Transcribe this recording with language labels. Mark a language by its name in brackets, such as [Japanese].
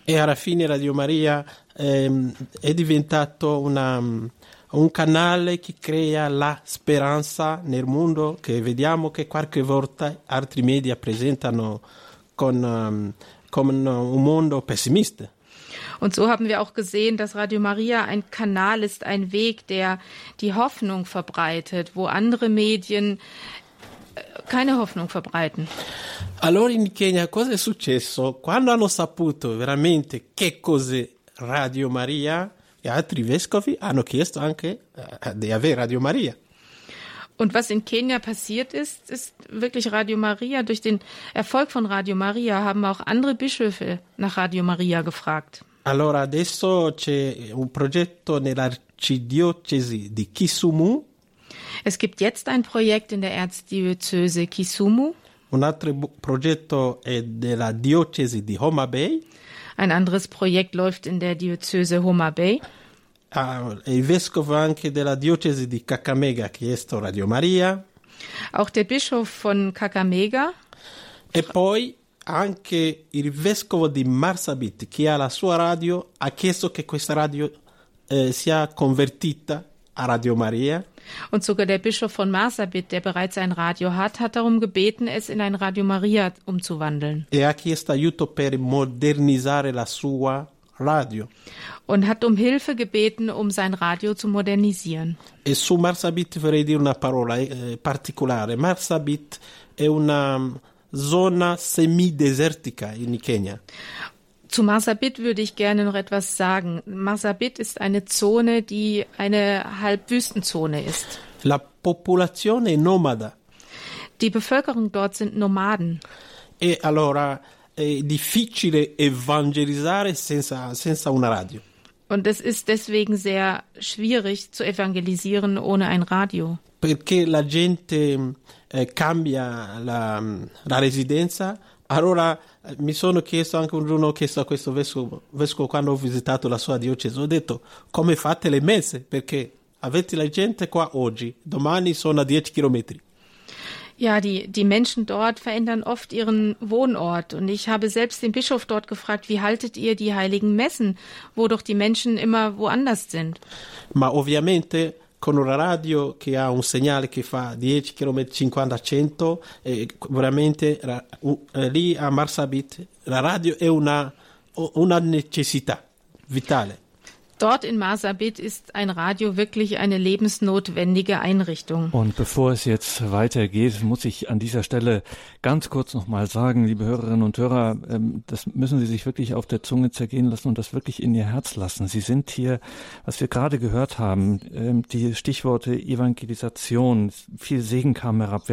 [Italian] E alla fine Radio Maria è diventato un canale che crea la speranza nel mondo che vediamo che qualche volta altri media presentano come un mondo pessimista. [German] Und so haben wir auch gesehen, dass Radio Maria ein Kanal ist, ein Weg, der die Hoffnung verbreitet, wo andere Medien keine Hoffnung verbreiten. [Italian] Allora in Kenya cosa è successo? Quando hanno saputo veramente che cos'è Radio Maria, gli altri vescovi hanno chiesto anche di avere Radio Maria. [German] Und was in Kenia passiert ist, ist wirklich Radio Maria. Durch den Erfolg von Radio Maria haben auch andere Bischöfe nach Radio Maria gefragt. [Italian] Allora, adesso c'è un progetto nell'Arcidiocesi Arcidiözese di Kisumu. [German] Es gibt jetzt ein Projekt in der Erzdiözese Kisumu. [Italian] Un altro progetto è della diocesi di Homa Bay. [German] Ein anderes Projekt läuft in der Diözese Homa Bay. [Italian] Il vescovo anche della diocesi di Kakamega ha chiesto Radio Maria. [German] Auch der Bischof von Kakamega. [Italian] E poi anche il vescovo di Marsabit, che ha la sua radio, ha chiesto che questa radio sia convertita a Radio Maria. [German] Und sogar der Bischof von Marsabit, der bereits ein Radio hat, hat darum gebeten, es in ein Radio Maria umzuwandeln. [Italian] E ha chiesto aiuto per modernizzare la sua radio. [German] Und hat um Hilfe gebeten, um sein Radio zu modernisieren. [Italian] E su Marsabit vorrei dire una parola particolare. Marsabit è una zona semidesertica in Kenya. [German] Zu Marsabit würde ich gerne noch etwas sagen. Marsabit ist eine Zone, die eine Halbwüstenzone ist. [Italian] La popolazione è nomada. [German] Die Bevölkerung dort sind Nomaden. [Italian] E allora è difficile evangelizzare senza una radio. [German] Und es ist deswegen sehr schwierig zu evangelisieren ohne ein Radio. [Italian] Perché la gente cambia la residenza. Allora mi sono chiesto anche un giorno, ho chiesto a questo vescovo quando ho visitato la sua diocesi, ho detto: come fate le messe? Perché avete la gente qua oggi, domani sono a 10 chilometri. [German] Ja, die Menschen dort verändern oft ihren Wohnort. Und ich habe selbst den Bischof dort gefragt, wie haltet ihr die heiligen Messen, wo doch die Menschen immer woanders sind? [Italian] Ma ovviamente con una radio che ha un segnale che fa 10 km 50 100, veramente lì a Marsabit la radio è una necessità vitale. [German] Dort in Marsabit ist ein Radio wirklich eine lebensnotwendige Einrichtung. Und bevor es jetzt weitergeht, muss ich an dieser Stelle ganz kurz nochmal sagen, liebe Hörerinnen und Hörer, das müssen Sie sich wirklich auf der Zunge zergehen lassen und das wirklich in Ihr Herz lassen. Sie sind hier, was wir gerade gehört haben, die Stichworte Evangelisation, viel Segen kam herab.